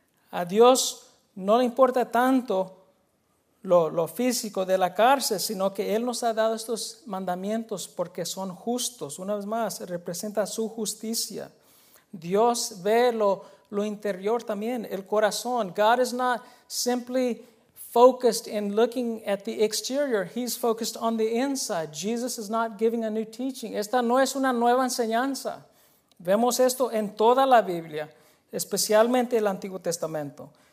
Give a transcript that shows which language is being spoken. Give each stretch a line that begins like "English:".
Spanish: A Dios no le importa tanto lo físico de la cárcel, sino que Él nos ha dado estos mandamientos porque son justos. Una vez más, representa su justicia. Dios ve lo interior también, el corazón.
English: God is not simply focused in looking at the exterior. He's focused on the inside. Jesus is not giving a new teaching.
Spanish: Esta no es una nueva enseñanza. Vemos esto en toda la Biblia, especialmente el Antiguo Testamento.